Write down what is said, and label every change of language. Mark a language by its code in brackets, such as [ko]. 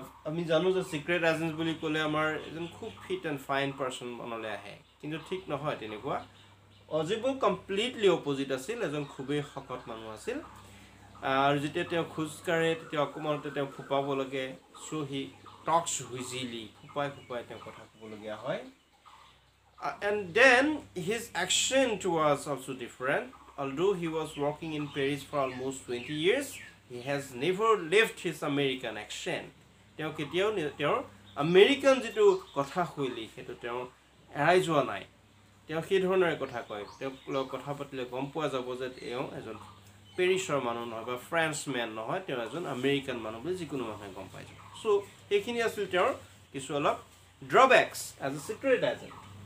[as] আমি জানো যে চিক্ৰেট এজেঞ্চ বুলি ক'লে আমাৰ এজন খুব [en] fit and fine person [as] মনলৈ আহে কিন্তু ঠিক নহয় তেনেকুৱা অজিবল [en] completely opposite [as] আছিল এজন খুবেই শকত মানুহ আছিল আৰু যেতিয়া তেওঁ খোজ কাঢ়ে তেতিয়া অকণমানতে তেওঁ ফুপাব লাগে [en] so' he talks wheezily [as] ফুপাই ফুপাই তেওঁ কথা ক'বলগীয়া হয় [en] And then his accent was also different. Although he was working in Paris for almost 20 years, he has never left his American accent. [as] তেওঁ কেতিয়াও তেওঁৰ আমেৰিকান যিটো কথা শৈলী সেইটো তেওঁ এৰাই যোৱা নাই তেওঁ সেই ধৰণেৰে কথা কয় তেওঁক লগত কথা পাতিলে গম পোৱা যাব যে তেওঁ এজন পেৰিছৰ মানুহ নহয় বা ফ্ৰেন্সমেন নহয় তেওঁ এজন আমেৰিকান মানুহ বুলি যিকোনো মানুহে গম পাই যাব চ' সেইখিনি আছিল তেওঁৰ কিছু অলপ [en] ড্ৰবেক্স as a secret agent